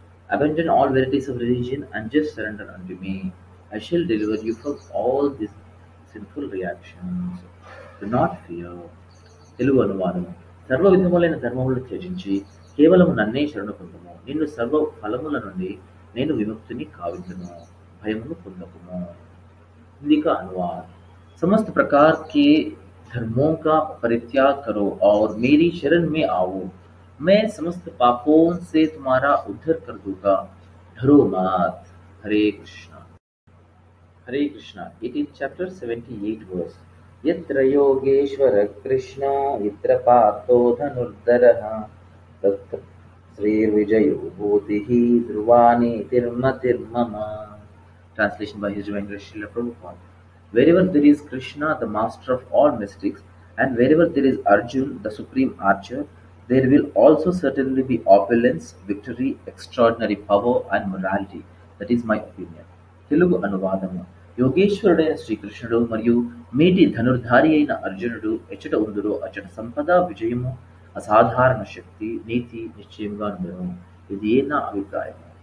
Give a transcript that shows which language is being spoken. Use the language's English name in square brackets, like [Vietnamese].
[English] Abandon all varieties of religion and just surrender unto me. I shall deliver you from all these sinful reactions. Do not fear. [Telugu] Telugu అనువాదము. సర్వ విధములైన ధర్మములను త్యజించి కేవలం నన్నే శరణు పొందుము. నిన్ను సర్వ ఫలముల నుండి నేను విముక్తిని కావించను, భయమును పొందకుము. ఇందిక అనువాదం. [Hindi] సమస్త ప్రకారకి धर्मों का परित्याग करो और मेरी शरण में आओ. मैं समस्त पापों से तुम्हारा उद्धार कर दूंगा, डरो मत. हरे कृष्ण हरे Krishna. 18th chapter 78th verse. [Sanskrit] यत्र योगेश्वर कृष्ण यत्र पार्थो धनुर्धरः तत्र श्रीविजयो भूतिः ध्रुवाणि तिर्मतिर् मम. [English] Translation by his divine grace Srila Prabhupada. Wherever there is Krishna, the master of all mystics, and wherever there is Arjun the supreme archer there will also certainly be opulence victory extraordinary power and morality that is my opinion [Telugu] Telugu అనువాదము యోగేశ్వరుడైన శ్రీకృష్ణుడు మరియు మేటి ధనుర్ధారి అయిన అర్జునుడు ఎచ్చట ఉందరో అచ్చట సంపద విజయము అసాధారణ శక్తి నీతి నిశ్చయంగా ఉండడం ఇది నా అభిప్రాయం